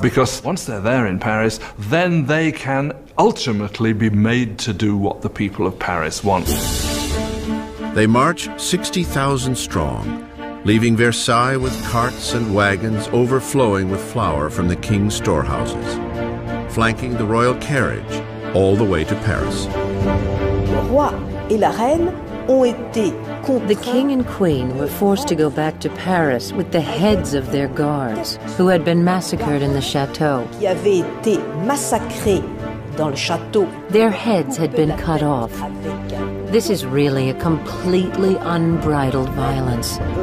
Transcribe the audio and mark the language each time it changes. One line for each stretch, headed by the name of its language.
English: Because once they're there in Paris, then they can ultimately be made to do what the people of Paris want. They march 60,000 strong, leaving Versailles with carts and wagons overflowing with flour from the king's storehouses, flanking the royal carriage all the way to Paris.
French: Le roi et la reine ont été contraints.
English: The king and queen were forced to go back to Paris with the heads of their guards, who had been massacred in the chateau.
French: Qui avaient été massacrés dans le château.
English: Their heads had been cut off. This is really a completely unbridled violence.